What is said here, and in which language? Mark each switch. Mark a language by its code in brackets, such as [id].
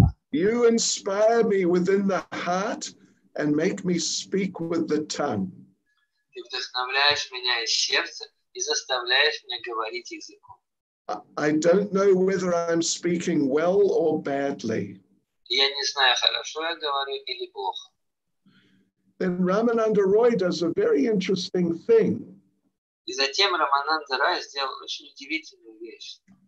[en] You inspire me within the heart and make me speak with the tongue. [ru] Ты вдохновляешь меня из сердца и заставляешь меня говорить языком. [en] I don't know whether I'm speaking well or badly. [ru] Я не знаю, хорошо я говорю или плохо. [en] Then Ramananda Roy does a very interesting thing. [ru] И затем Рамананда Рай сделал очень удивительную вещь.